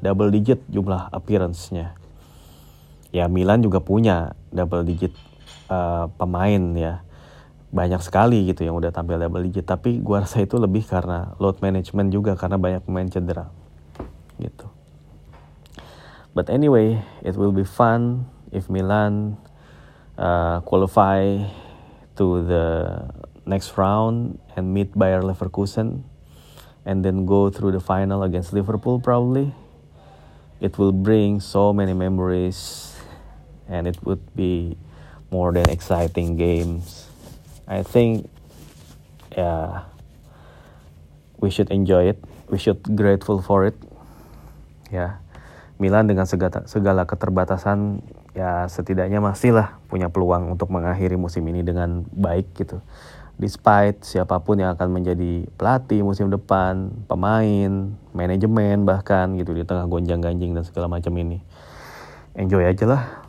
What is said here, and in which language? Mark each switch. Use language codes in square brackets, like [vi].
[id] Double digit jumlah appearance-nya. Ya Milan juga punya double digit pemain ya. Banyak sekali gitu yang udah tampil double digit, tapi gua rasa itu lebih karena load management juga, karena banyak pemain cedera gitu. [en] But anyway, it will be fun if Milan qualify to the next round and meet Bayer Leverkusen and then go through the final against Liverpool probably. It will bring so many memories and it would be more than exciting games. I think, yeah, we should enjoy it. We should grateful for it. [id] Yeah, Milan dengan segala keterbatasan, ya setidaknya masih lah punya peluang untuk mengakhiri musim ini dengan baik gitu. Despite siapapun yang akan menjadi pelatih musim depan, pemain, manajemen bahkan gitu di tengah gonjang-ganjing dan segala macam ini, enjoy aja lah.